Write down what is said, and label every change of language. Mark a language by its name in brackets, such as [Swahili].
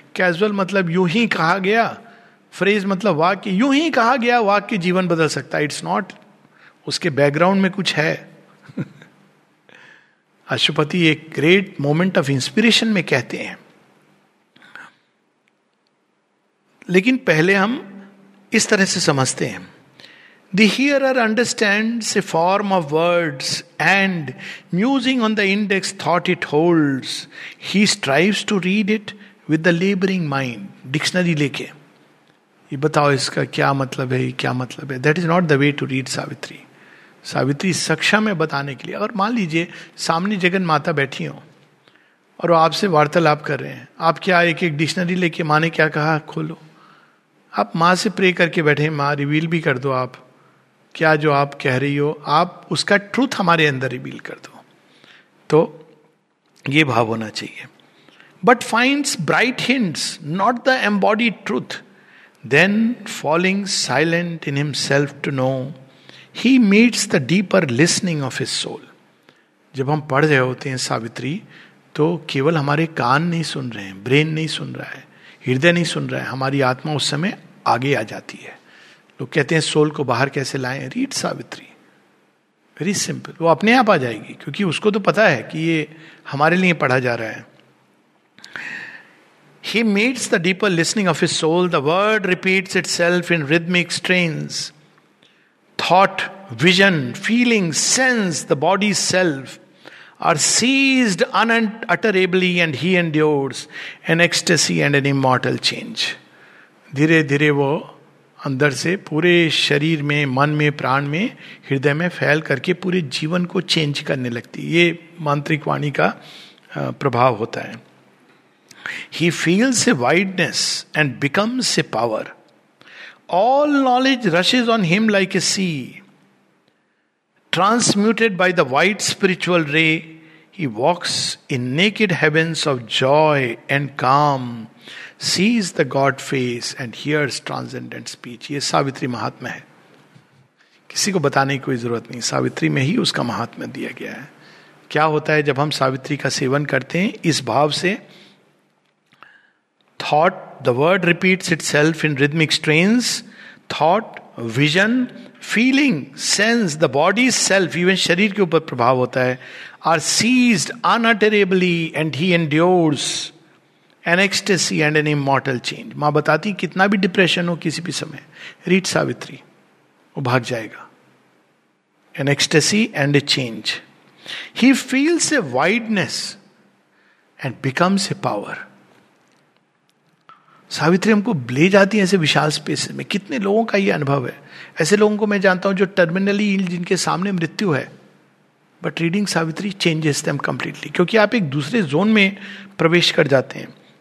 [Hindi] Casual मतलब यूं ही कहा गया, फ्रेज मतलब वाक्य, यूं ही कहा गया वाक्य जीवन बदल सकता है. [English] it's not, [Hindi] उसके बैकग्राउंड में कुछ है. अशुपति एक [English] great moment of inspiration [Hindi] में कहते हैं, लेकिन पहले हम इस तरह से समझते हैं. [English] The hearer understands a form of words and musing on the index thought it holds, he strives to read it with the laboring mind. [Hindi] Dictionary लेके ये बताओ इसका क्या मतलब है, क्या मतलब है. [English] That is not the way to read Savitri. [Hindi] Savitri सक्षम है बताने के लिए. अगर मान लीजिए सामने जगन माता बैठी हो और वो आपसे वार्तालाप कर रहे हैं, आप क्या एक एक डिक्शनरी लेके माँ ने क्या कहा खोलो? आप माँ से प्रे करके बैठे, माँ रिवील भी कर दो आप क्या जो आप कह रही हो, आप उसका ट्रूथ हमारे अंदर रिवील कर दो. तो ये भाव होना चाहिए. [English] But finds bright hints not the embodied truth, then falling silent in himself to know, He meets the deeper listening of his soul. [Hindi] जब हम पढ़ रहे होते हैं सावित्री, तो केवल हमारे कान नहीं सुन रहे हैं, ब्रेन नहीं सुन रहा है, हृदय नहीं सुन रहा है, हमारी आत्मा उस समय आगे आ जाती है. लोग कहते हैं सोल को बाहर कैसे लाएं? [English] Read Savitri. Very simple, [Hindi] वो अपने आप आ जाएगी, क्योंकि उसको तो पता है कि ये हमारे लिए पढ़ा जा रहा है. [English] He meets the deeper listening of his soul. The word repeats itself in rhythmic strains. Thought, vision, feeling, sense, the body's self are seized unutterably and he endures an ecstasy and an immortal change. [Hindi] धीरे धीरे वो अंदर से पूरे शरीर में, मन में, प्राण में, हृदय में फैल करके पूरे जीवन को चेंज करने लगती. ये मांत्रिक वाणी का प्रभाव होता है. [English] He feels a wideness and becomes a power. All knowledge rushes on him like a sea. Transmuted by the white spiritual ray, he walks in naked heavens of joy and calm, sees the God face and hears transcendent speech. [Hindi] ये सावित्री महात्मा है, किसी को बताने की कोई जरूरत नहीं, सावित्री में ही उसका महात्मा दिया गया है. क्या होता है जब हम सावित्री का सेवन करते हैं इस भाव से? [English] Thought, the word repeats itself in rhythmic strains. Thought, vision, feeling, sense, the body's self, even [Hindi] शरीर के ऊपर प्रभाव होता है, [English] are seized unutterably and he endures an ecstasy and an immortal change. [Hindi] माँ बताती कितना भी depression हो किसी भी समय, [English] read Savitri, [Hindi] वो भाग जाएगा. [English] An ecstasy and a change. He feels a wideness and becomes a power. [Hindi] Savitri हमको ले जाती है ऐसे विशाल स्पेस में. कितने लोगों का ये अनुभव है, ऐसे लोगों को मैं जानता हूं जो टर्मिनली इल, जिनके सामने मृत्यु है, [English] but reading Savitri changes them completely, [Hindi] क्योंकि आप एक दूसरे जोन में प्रवेश कर जाते हैं.